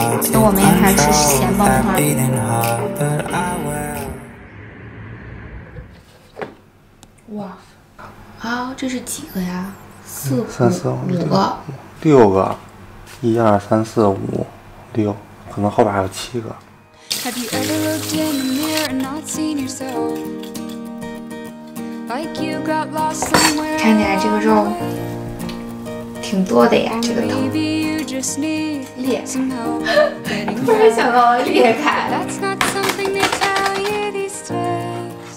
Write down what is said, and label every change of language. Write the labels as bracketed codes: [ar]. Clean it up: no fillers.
[zh] 等我们一块吃咸爆花。哇，啊，这是几个呀？四个，三四五个，六个，一二三四五六，可能后边还有七个。 [en] Have you ever looked in the mirror and not seen yourself? Like you got lost somewhere. [zh] 看起来这个肉挺多的呀，这个头。裂开。突然想到裂开。 [en] That's not something they tell you these days.